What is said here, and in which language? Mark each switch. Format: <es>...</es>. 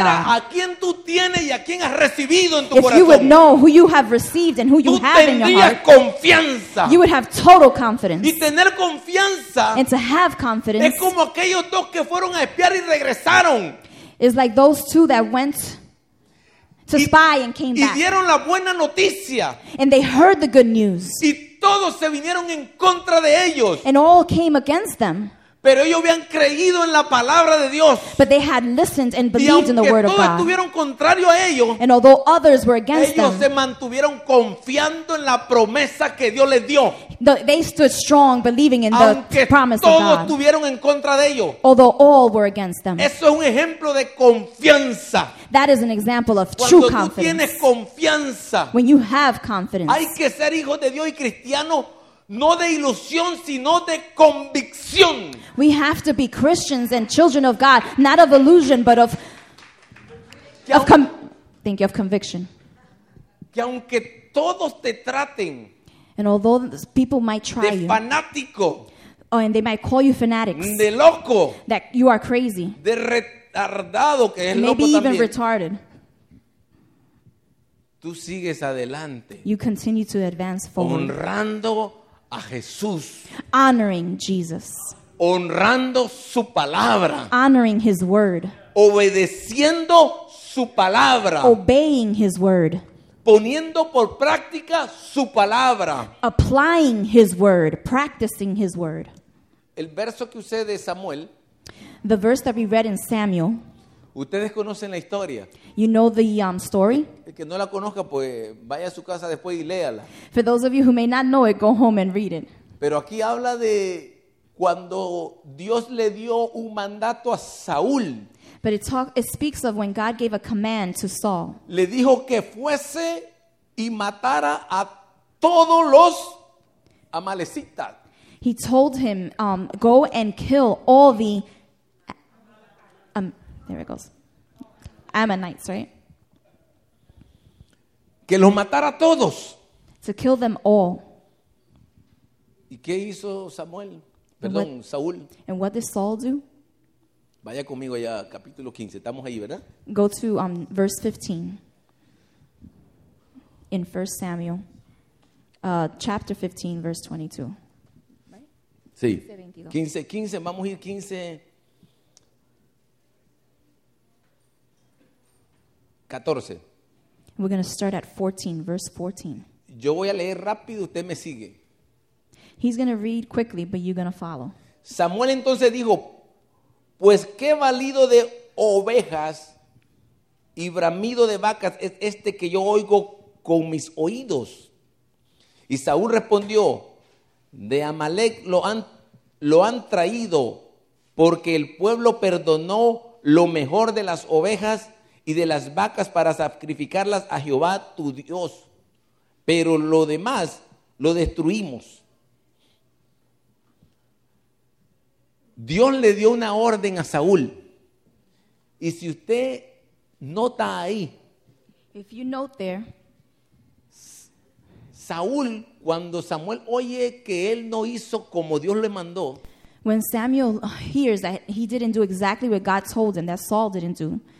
<es>A quién tú tienes y a quién has recibido en tu</es> <en>if</en> <es>corazón.</es> <en>If you would know who you have received and who you have in your heart.</en> <es>Tú tendrías confianza.</es> <en>You would have total confidence.</en> <es>Y tener confianza.</es> <en>And to have confidence.</en> <es>Es como aquellos dos que fueron a espiar y regresaron.</es> <en>It's like those two that went to spy and came back.</en> <es>Y dieron la buena noticia.</es> <en>And they heard the good news.</en> <es>Y todos se vinieron en contra de ellos.</es> <en>And all came against them.</en> <es>Pero ellos habían creído en la palabra de Dios.</es> <en>But they had listened and believed in the word of God.</en> <es>Y aunque todos estuvieron contrario a ellos.</es> <en>And although others were against</en> <es>ellos</es> <en>them.</en> <es>Ellos se mantuvieron confiando en la promesa que Dios les dio.</es> <en>They stood strong believing in the</en> <es>aunque</es> <en>promise of</en> <es>God. Aunque todos estuvieron en contra de ellos.</es> <en>Although all were against them.</en> <es>Eso es un ejemplo de confianza.</es> <en>That is an example of</en> <es>cuando</es> <en>true confidence.</en> <es>Cuando tú tienes confianza.</es> <en>When you have confidence.</en> <es>Hay que ser hijo de Dios y cristiano. No de ilusión, sino de convicción.</es> <en>We have to be Christians and children of God, not of illusion, but of conviction.</en> <es>Que aunque todos te traten,</es> <en>and although people might try</en> <es>de fanático,</es> <en>you, oh, and they might call you fanatics,</en> <es>de loco,</es> <en>that you are crazy,</en> <es>de retardado, que es loco</es> <en>maybe</en> <es>también,</es> <en>even retarded,</en> <es>tú sigues adelante,</es> <en>you continue to advance forward,</en> <es>honrando a Jesús.</es> <en>Honoring Jesus.</en> <es>Honrando su palabra.</es> <en>Honoring his word.</en> <es>Obedeciendo su palabra.</es> <en>Obeying his word.</en> <es>Poniendo por práctica su palabra.</es> <en>Applying his word. Practicing his word.</en> <es>El verso que usé de Samuel.</es> <en>The verse that we read in Samuel.</en> <es>Ustedes conocen la historia.</es> <en>You know the story.</en> <es>El que no la conozca, pues vaya a su casa después y léala.</es> <en>For those of you who may not know it, go home and read it.</en> <es>Pero aquí habla de cuando Dios le dio un mandato a Saúl.</es> <en>But it speaks of when God gave a command to Saul.</en> <es>Le dijo que fuese y matara a todos los amalecitas.</es> <en>He told him, go and kill all the there it goes. Ammonites, right?</en> <es>Que los matara todos.</es> <en>To kill them all.</en> <es>¿Y qué hizo Samuel? Perdón,</es> <en>and what,</en> <es>Saúl.</es> <en>And what did Saul do?</en> <es>Vaya conmigo allá, capítulo 15. Estamos ahí, ¿verdad?</es> <en>Go to verse 15. In 1 Samuel. chapter 15, verse 22.</en> <es>Sí. 15, vamos a ir 15, 14.</es> <en>We're going to start at 14, verse 14.</en> <es>Yo voy a leer rápido, usted me sigue.</es> <en>He's going to read quickly, but you're going to follow.</en> <es>Samuel entonces dijo, pues qué balido de ovejas y bramido de vacas es este que yo oigo con mis oídos. Y Saúl respondió, de Amalek lo han traído, porque el pueblo perdonó lo mejor de las ovejas y de las vacas para sacrificarlas a Jehová tu Dios. Pero lo demás lo destruimos. Dios le dio una orden a Saúl. Y si usted nota ahí,</es> <en>if you note there,</en> <es>Saúl, cuando Samuel oye que él no hizo como Dios le mandó,</es> <en>when Samuel hears that he didn't do exactly what God told him, that Saul didn't do,</en>